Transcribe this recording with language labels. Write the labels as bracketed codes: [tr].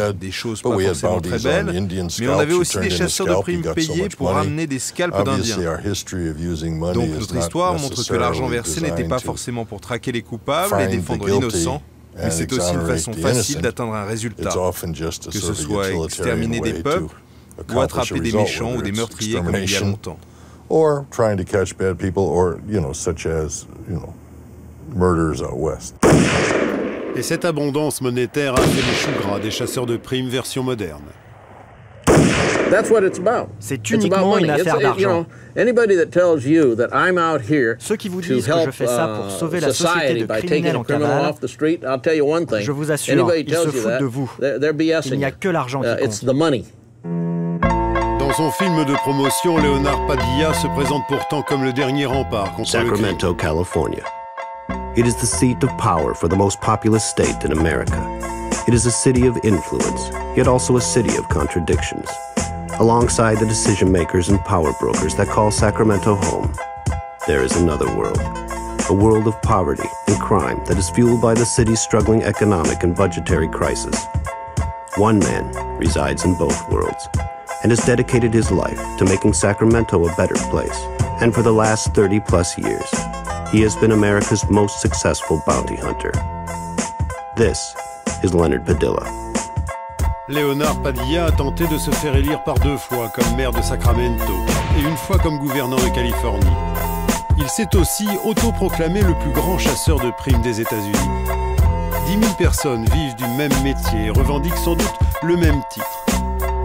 [fr] Des choses pas forcément très belles, mais on avait aussi des chasseurs de primes payés pour ramener des scalps d'Indiens. Donc notre histoire montre que l'argent versé n'était pas forcément pour traquer les coupables et défendre l'innocent. Mais c'est aussi une façon facile d'atteindre un résultat, que ce soit exterminer des peuples ou attraper des méchants ou des meurtriers comme il y a longtemps. [en] Or trying to catch bad people, or, you know, such as, you know, murders out west. [fr] Et cette abondance monétaire a fait les choux gras des chasseurs de primes version moderne. [en] That's what it's about. [fr] C'est uniquement une affaire d'argent. [en] You know, anybody that tells you that I'm out here [fr] ceux qui vous disent que je fais ça pour sauver la société de criminels en [en] cavale, I'll tell you one thing. [fr] Je vous assure, anybody ils se foutent de vous. [en] They're [fr] il n'y a que l'argent qui compte. [en] It's the money. [fr] Dans son film de promotion, Leonard Padilla se présente pourtant comme le dernier rempart contre [en] Sacramento, [fr] le crime. [en] Sacramento, California. It is the seat of power for the most populous state in America. It is a city of influence, yet also a city of contradictions. Alongside the decision makers and power brokers that call Sacramento home, there is another world. A world of poverty and crime that is fueled by the city's struggling economic and budgetary crisis. One man resides in both worlds and has dedicated his life to making Sacramento a better place. And for the last 30 plus years, he has been America's most successful bounty hunter. This is Leonard Padilla. [fr] Leonard Padilla a tenté de se faire élire par deux fois comme maire de Sacramento et une fois comme gouverneur de Californie. Il s'est aussi autoproclamé le plus grand chasseur de primes des États-Unis. 10 000 personnes vivent du même métier et revendiquent sans doute le même titre.